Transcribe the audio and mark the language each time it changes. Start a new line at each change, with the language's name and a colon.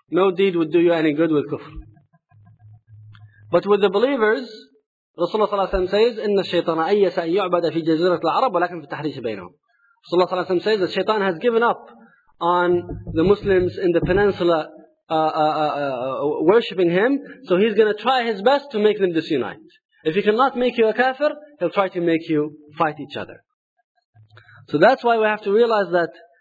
English: No deed would do you any good with kufr. But with the believers, Rasulullah ﷺ says,
Arabic: إِنَّ الشَّيْطَانَ أَيَّسَ أَنْ يُعْبَدَ فِي جَزِيرَةِ الْعَرَبِ وَلَكِنْ فِي التَّحْرِيشِ بَيْنَهُمْ.
English: Rasulullah ﷺ says that Shaitan has given up on the Muslims in the peninsula worshipping him, so he's going to try his best to make them disunite. If he cannot make you a kafir, he'll try to make you fight each other. So that's why we have to realize that